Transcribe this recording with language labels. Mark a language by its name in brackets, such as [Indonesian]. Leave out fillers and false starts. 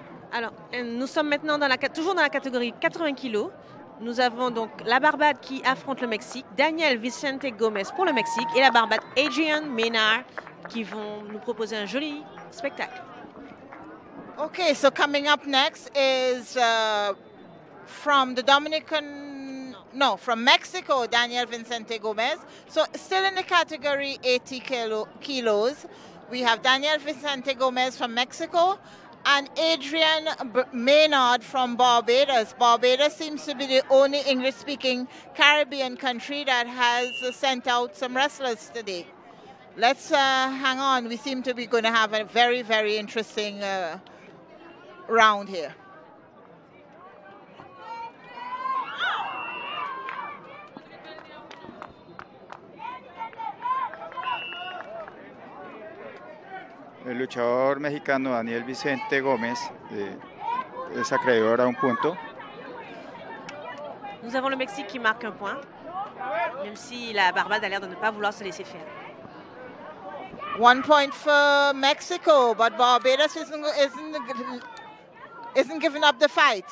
[French] Alors, nous sommes maintenant toujours dans la catégorie 80 kilos. Nous avons donc la Barbade qui affronte le Mexique, Daniel Vicente Gomez pour le Mexique et la Barbade Adrian Maynard qui vont nous proposer un joli spectacle. [English] Ok, so coming up next is from the Dominican... No, from Mexico, Daniel Vicente Gomez. So still in the category 80 kilos, we have Daniel Vicente Gomez from Mexico and Adrian Maynard from Barbados. Barbados seems to be the only English-speaking Caribbean country that has sent out some wrestlers today. Let's hang on. We seem to be going to have a very, very interesting round here. [Spanish] El luchador mexicano Daniel Vicente Gómez es acreedor a 1 punto. [French] Nous avons le Mexique qui marque 1 point, même si la Barbade a l'air de ne pas vouloir se laisser faire. [English] 1 point for Mexico, but Barbados isn't giving up the fight.